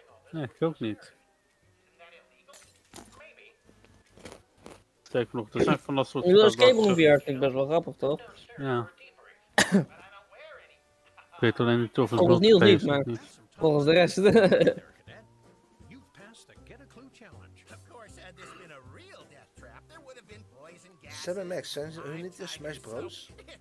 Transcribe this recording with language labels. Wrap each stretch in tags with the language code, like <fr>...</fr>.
<nl>Nee, ik ook niet. Zeg nog, er zijn van dat soort... De escape room VR vind ik best wel grappig toch? Ja. Ik weet alleen niet of het volgens Niels niet, maar volgens de rest.</nl> <en>You've passed the get a clue challenge. Of course, had this been a real death trap, there would have been poison gas.</en> <nl>Sam en Max, zijn ze hun niet de Smash Bros?</nl>